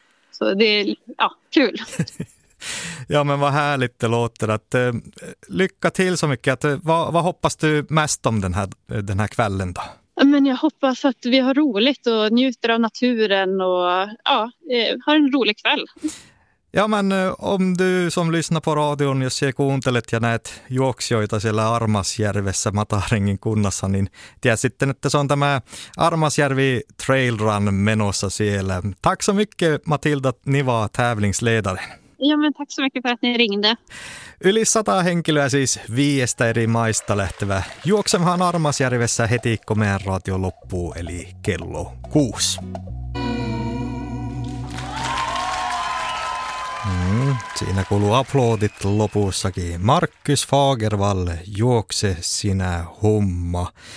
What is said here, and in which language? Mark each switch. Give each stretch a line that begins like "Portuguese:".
Swedish: Så det är, ja, kul. Ja, men vad härligt det låter. Att, lycka till så mycket. Att, vad hoppas du mest om den här kvällen då? Men jag hoppas att vi har roligt och njuter av naturen och ja, har en rolig kväll. Ja, men om du som lyssnar på radion,
Tornedalen Finnish: jos ei kuuntelet ja näet juoksijoita siellä Armasjärvessä Matarengin kunnassa, niin tiedät sitten, että se on tämä Armasjärvi Trail Run menossa siellä.
Swedish: Tack så mycket Matilda Niva, tävlingsledaren. Ja, men tack så mycket för att ni ringde.
Tornedalen Finnish: Yli 100 henkilöä siis 5 eri maista lähtevä. Juoksemahan Armasjärvessä heti, kun meidän raatio loppuu, eli 6:00. Siinä kuuluu aplodit lopussakin. Markus Fagervall, juokse sinä homma.